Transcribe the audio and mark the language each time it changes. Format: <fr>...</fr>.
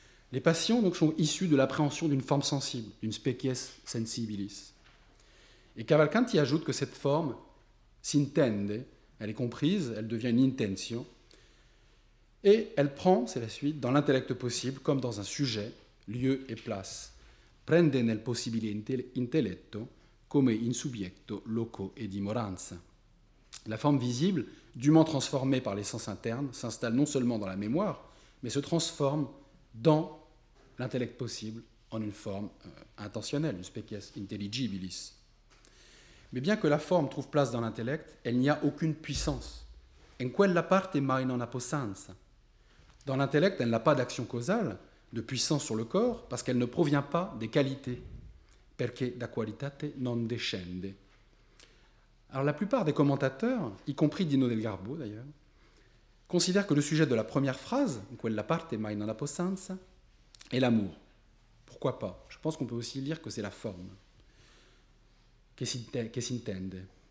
<fr>Les passions donc sont issues de l'appréhension d'une forme sensible, d'une species sensibilis. Et Cavalcanti ajoute que cette forme s'intende, elle est comprise, elle devient une intention, et elle prend, c'est la suite, dans l'intellect possible, comme dans un sujet, lieu et place.</fr> <it>Prende nel possibile intelletto come in subjecto loco e dimoranza.</it> <fr>La forme visible, dûment transformée par les sens internes, s'installe non seulement dans la mémoire, mais se transforme dans l'intellect possible en une forme intentionnelle, une species intelligibilis. Mais bien que la forme trouve place dans l'intellect, elle n'y a aucune puissance.</fr> <it>En quella parte mai non ha possanza.</it> <fr>Dans l'intellect, elle n'a pas d'action causale, de puissance sur le corps, parce qu'elle ne provient pas des qualités.</fr> <it>Perché da qualitate non descende.</it> <fr>Alors la plupart des commentateurs, y compris Dino Del Garbo d'ailleurs, considèrent que le sujet de la première phrase, «</fr> <it>quella parte mai non ha possanza</it> <fr>», est l'amour. Pourquoi pas? Je pense qu'on peut aussi lire que c'est la forme.</fr> <it>Che s'intende.</it>